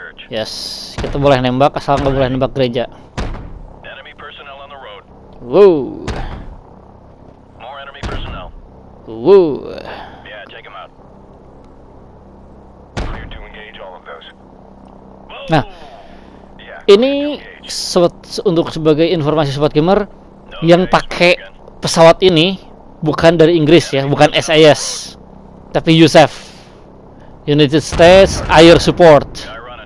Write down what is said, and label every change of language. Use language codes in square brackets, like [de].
[id] Yes, kita boleh nembak asal nggak boleh nembak gereja. [en] Enemy personnel on the road. Woo. More enemy personnel. Woo. Yeah, take them out. Clear to engage all of those. [id] Nah, ini sobat, untuk sebagai informasi sobat gamer, yang pakai pesawat ini bukan dari Inggris ya, bukan SAS, tapi USAF, United States Air Support.